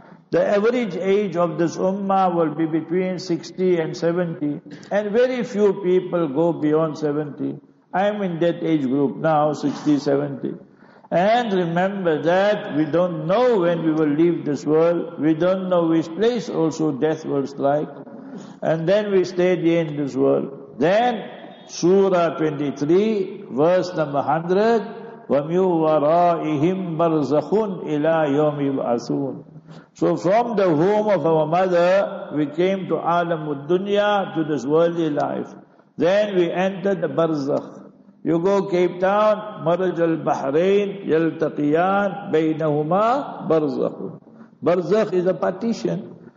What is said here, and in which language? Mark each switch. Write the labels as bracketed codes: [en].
[en] The average age of this ummah will be between 60 and 70, and very few people go beyond 70. I am in that age group now, 60, 70. And remember that we don't know when we will leave this world. We don't know which place also death will strike. And then we stay here in this world. Then Surah 23, verse number 100, [ar] وَمِنْ وَرَائِهِمْ بَرْزَخٌ إِلَىٰ يَوْمِ يُبْعَثُونَ. [en] So from the womb of our mother, we came to Alamud Dunya, to this worldly life. Then we entered the Barzakh. You go Cape Town, Maraj al-Bahrain, [ar] يَلْتَقِيَانَ بَيْنَهُمَا بَرْزَخٌ. [en] Barzakh is a partition.